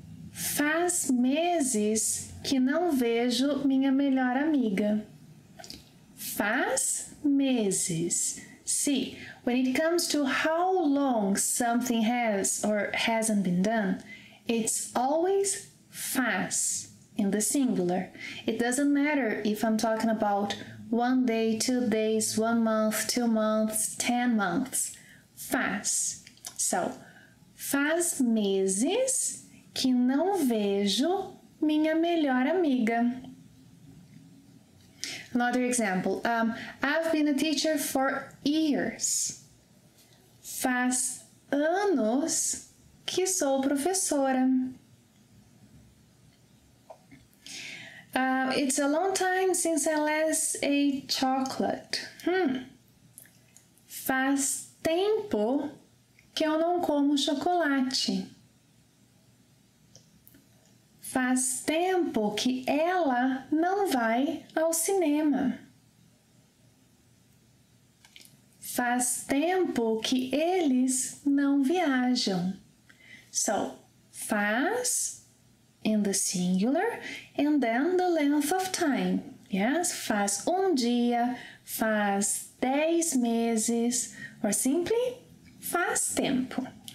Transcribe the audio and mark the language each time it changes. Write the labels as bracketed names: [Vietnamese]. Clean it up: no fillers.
[Portuguese] Faz meses que não vejo minha melhor amiga. Faz meses. [English] See, when it comes to how long something has or hasn't been done, it's always faz in the singular. It doesn't matter if I'm talking about 1 day, 2 days, 1 month, 2 months, 10 months. [Portuguese] Faz. So, faz meses que não vejo minha melhor amiga. [English] Another example. I've been a teacher for years. [Portuguese] Faz anos que sou professora. [English] It's a long time since I last ate chocolate. Faz [Portuguese] tempo que eu não como chocolate. Faz tempo que ela não vai ao cinema. Faz tempo que eles não viajam. [English] So, faz in the singular and then the length of time. [Portuguese] Yes, faz dia, faz 10 meses, [English] or simply [Portuguese] faz tempo.